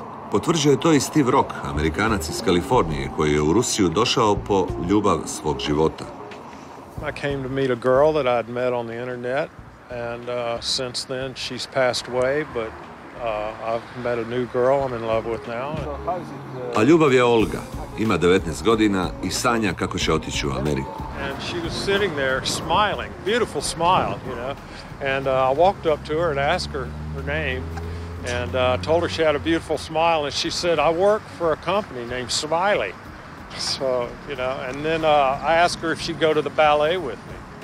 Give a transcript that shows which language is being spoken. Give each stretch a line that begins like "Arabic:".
Croatian: Potvrđuje to i Steve Rock, Amerikanac iz Kalifornije, koji je u Rusiju došao po ljubav svog života.
English: I came to meet a girl that I'd met on the internet, and since then she's passed away, but I've met a new girl I'm in love with now.
Croatian: A ljubav je Olga. Ima 19 godina i sanja kako će otići u Ameriku.
English: And she was sitting there smiling, beautiful smile, you know. And I walked up to her and asked her name. And I told her she had a beautiful smile, and she said, I work for a company named Smiley. So, you know, and then I asked her if she'd go to the ballet with me.